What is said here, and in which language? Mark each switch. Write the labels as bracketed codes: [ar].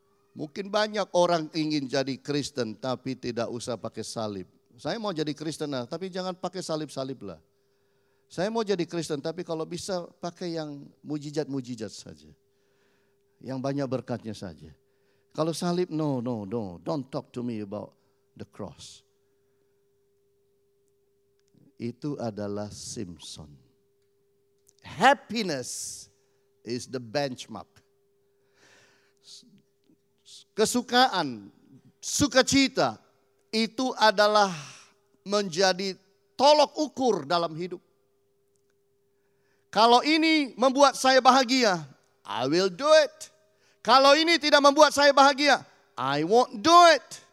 [id] Mungkin banyak orang ingin jadi Kristen tapi tidak usah pakai salib. Saya mau jadi Kristen tapi jangan pakai salib-salib lah. Saya mau jadi Kristen tapi kalau bisa pakai yang mujizat-mujizat saja. Yang banyak berkatnya saja. Kalau salib, [en] no, don't talk to me about the cross. [id] Itu adalah Simpson. [en] Happiness is the benchmark. [id] Kesukaan, sukacita, itu adalah menjadi tolok ukur dalam hidup. Kalau ini membuat saya bahagia, [en] I will do it. [id] Kalau ini tidak membuat saya bahagia, [en] I won't do it.